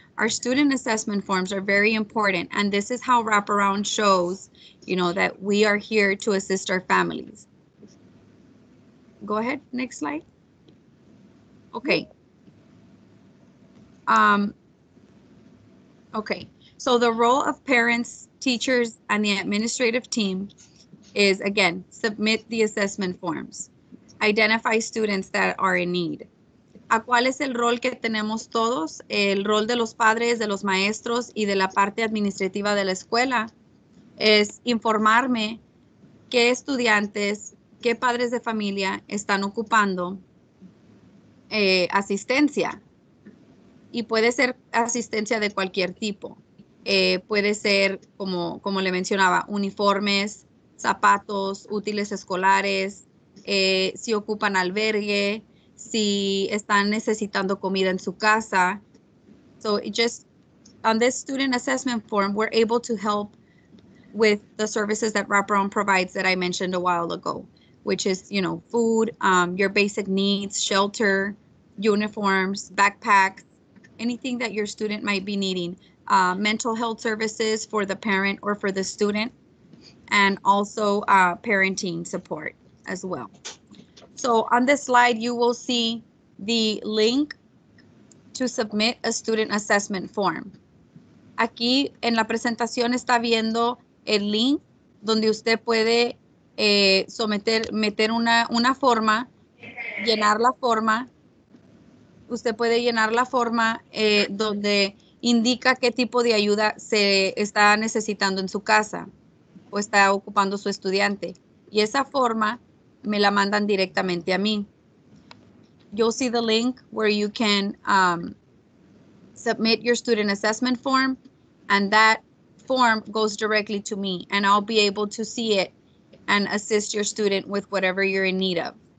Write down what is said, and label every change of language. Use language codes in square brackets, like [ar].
[en] Our student assessment forms are very important. And this is how wraparound shows, you know, that we are here to assist our families. Go ahead, next slide. Okay. Okay, so the role of parents, teachers, and the administrative team is, again, submit the assessment forms. Identify students that are in need. [es] ¿A cuál es el rol que tenemos todos? El rol de los padres, de los maestros y de la parte administrativa de la escuela es informarme qué estudiantes, qué padres de familia están ocupando asistencia. Y puede ser asistencia de cualquier tipo. Puede ser, como le mencionaba, uniformes, zapatos, útiles escolares, si ocupan albergue, si están necesitando comida en su casa. [en] So it just, on this student assessment form, we're able to help with the services that wraparound provides that I mentioned a while ago, which is, you know, food, your basic needs, shelter, uniforms, backpacks, anything that your student might be needing, mental health services for the parent or for the student, and also parenting support as well. So on this slide, you will see the link to submit a student assessment form. [es] Aquí en la presentación está viendo el link donde usted puede meter una forma, llenar la forma. Usted puede llenar la forma donde indica qué tipo de ayuda se está necesitando en su casa o está ocupando su estudiante. Y esa forma me la mandan directamente a mí. [en] You'll see the link where you can submit your student assessment form, and that form goes directly to me, and I'll be able to see it and assist your student with whatever you're in need of.